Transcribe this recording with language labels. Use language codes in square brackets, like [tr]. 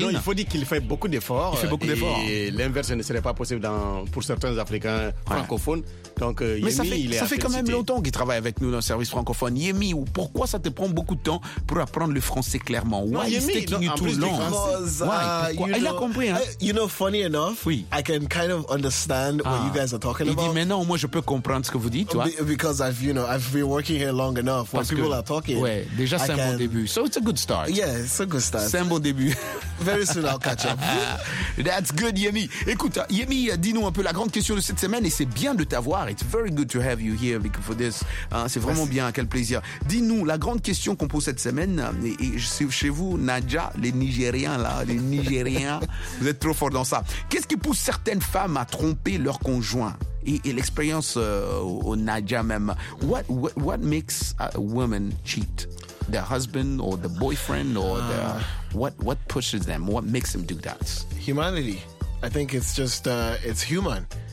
[fr] Non, il faut dire qu'il fait beaucoup d'efforts. Il fait beaucoup d'efforts. Et l'inverse ne serait pas possible pour certains Africains francophones. Donc, mais Yemi, ça fait quand même longtemps qu'il travaille avec nous dans le service francophone. Yemi, pourquoi ça te prend beaucoup de temps pour apprendre le français clairement? Il a compris. Hein? [en] You know, funny enough, oui. I can kind of understand what you guys are talking about. [fr] Il dit, mais non, moi je peux comprendre ce que vous dites, toi. [en] Because I've been working here long enough. Parce when people are talking. [fr] Ouais, déjà c'est un bon début. [en] So it's a good start. Yeah, it's a good start. [fr] C'est un bon début. [en] Very soon I'll catch up. That's good, Yemi. [fr] Écoute, Yemi, dis-nous un peu la grande question de cette semaine, et c'est bien de t'avoir. [en] It's very good to have you here because for this. [fr] C'est vraiment bien, quel plaisir. Dis-nous, la grande question qu'on pose cette semaine, et chez vous, Nadja, les Nigériens, vous êtes trop fort dans ça. Qu'est-ce qui pousse certaines femmes à tromper leur conjoint? Et l'expérience au Nadja même. [en] What makes a woman cheat? Their husband or the boyfriend or what pushes them? What makes them do that? Humanity. I think it's just, it's human.